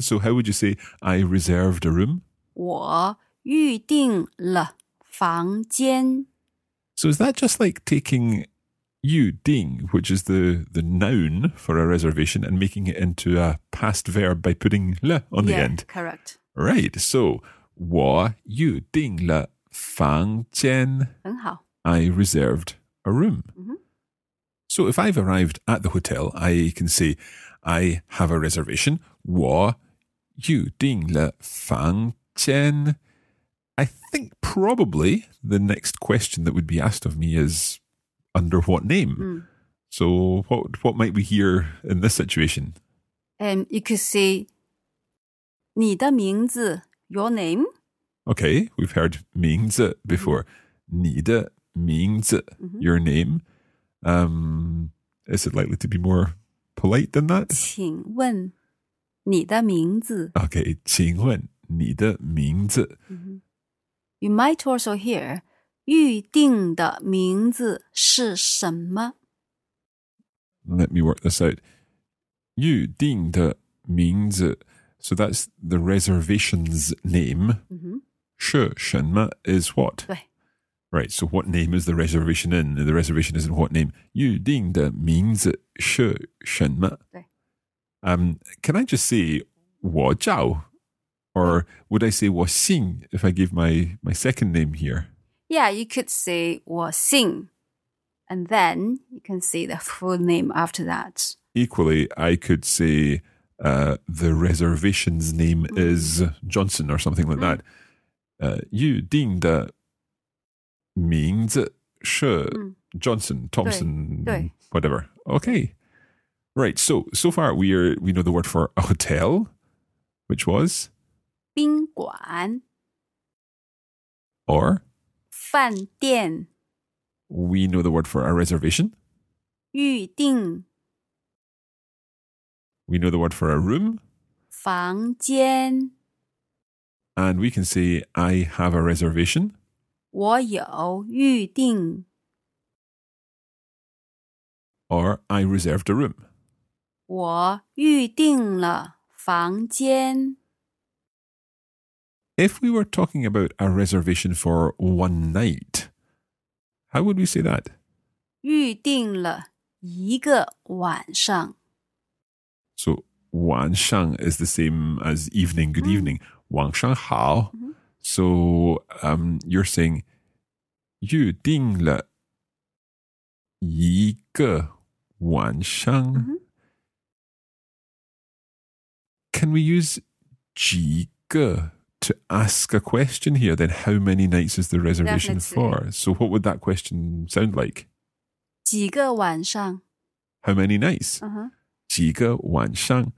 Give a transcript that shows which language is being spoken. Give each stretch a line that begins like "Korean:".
English: So, how would you say I reserved a room?
Chinese: 我预定了房间.
English: So is that just like taking 预定, which is the noun for a reservation, and making it into a past verb by putting 了 on the end? Yeah, correct. Right, so
Chinese: 我预定了房间. 很好.
English: I reserved a room. Mm-hmm. So if I've arrived at the hotel, I can say I have a reservation.
Chinese: 我预定了房间.
English: I think probably the next question that would be asked of me is, under what name? Mm. So what might we hear in this situation? You could say,
Chinese: 你的名字,
English: your name? Okay, we've heard 名字 before.
Chinese: 你的名字, mm-hmm.
English: your name. Is it likely to be more polite than that?
Chinese: 请问你的名字. Okay, 请问你的名字. Mm-hmm.
English: You might also hear,
Chinese: 预定的名字是什么?
English: Let me work this out.
Chinese: 预定的名字,
English: so that's the reservation's name. Mm-hmm.
Chinese: 是什么
English: is what?
Chinese: 对.
English: Right, so what name is the reservation in? The reservation is in what name?
Chinese: 预定的名字是什么? 对.
English: Can I just say,
Chinese: 我叫,
English: Or would I say
Chinese: 我姓
English: if I give my second name here? Yeah, you could say
Chinese: 我姓,
English: and then you can say the full name after that. Equally, I could say the reservation's name is Johnson or something like that.
Chinese: 预定的名字是 Johnson, Thompson, 对,
English: whatever. Okay. Right, so far we know the word for a hotel, which was?
Chinese: 宾馆.
English: Or?
Chinese: 饭店.
English: We know the word for a reservation.
Chinese: 预定.
English: We know the word for a room.
Chinese: 房间.
English: And we can say, I have a reservation.
Chinese: 我有预定.
English: Or, I reserved a room.
Chinese: 我预定了房间.
English: If we were talking about a reservation for one night, how would we say that?
Chinese: 预定了一个晚上.
English: So, 晚上 is the same as evening, good evening.
Chinese: 晚上好.
English: So, you're saying
Chinese: 预定了一个晚上.
English: Can we use 几个 to ask a question here? Then how many nights is the reservation for? So what would that question sound like?
Chinese: 几个晚上.
English: How many nights?
Chinese: 几个晚上.